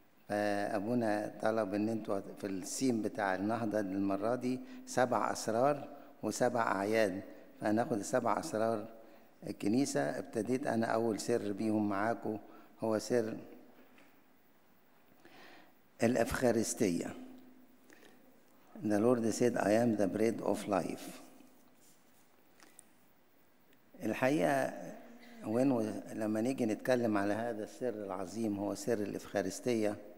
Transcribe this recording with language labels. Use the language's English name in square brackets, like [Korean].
[Arabic] أبونا طلب إن أنتوا في السيم بتاع النهضة المرة دي 7 أسرار و7 أعياد، فهناخد 7 أسرار الكنيسة. ابتديت أنا أول سر بيهم معاكم، هو سر الأفخارستية. [English] The Lord said I am the bread of life. [Arabic] الحقيقة لما نيجي نتكلم على هذا السر العظيم، هو سر الإفخارستية،